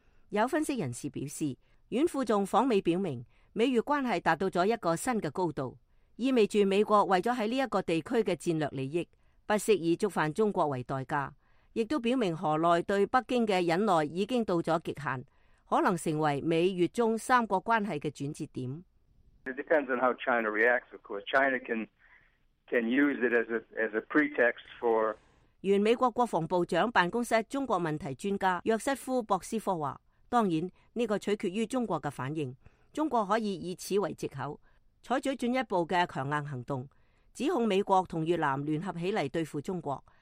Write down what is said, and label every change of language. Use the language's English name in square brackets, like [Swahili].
[Chinese] 有分析人士表示，阮富仲访美表明美越关系达到了一个新的高度，意味着美国为了在这个地区的战略利益，不惜以触犯中国为代价，亦都表明何来对北京的忍耐已经到了极限，可能成为美越中三国关系的转折点。 [English] It depends on how China reacts, of course. China can use it as a pretext for. [Chinese] 原美国国防部长办公室中国问题专家约瑟夫·博斯科说，当然这个取决于中国的反应。中国可以以此为借口，采取进一步的强硬行动，指控美国和越南联合起来对付中国，